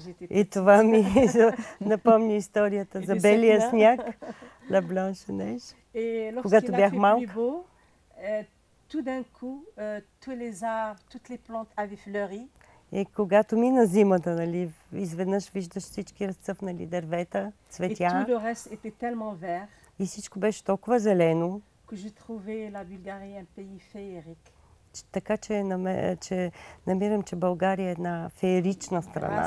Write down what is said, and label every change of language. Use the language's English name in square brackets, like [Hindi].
[Bulgarian] И това ми напомни историята за белия сняг, La Blanche Neige, когато бях малка. [French] Tout d'un coup, tous les arbres, toutes les plantes avaient fleuri. [Bulgarian] И когато мина зимата, нали, изведнъж виждаш всички разцъфнали дървета, цветя. [French] Et tout le reste était tellement vert. [Bulgarian] И всичко беше толкова зелено. [French] Que j'ai trouvé la Bulgarie un pays féerique. [Bulgarian] Така че намирам, че България е една феерична страна.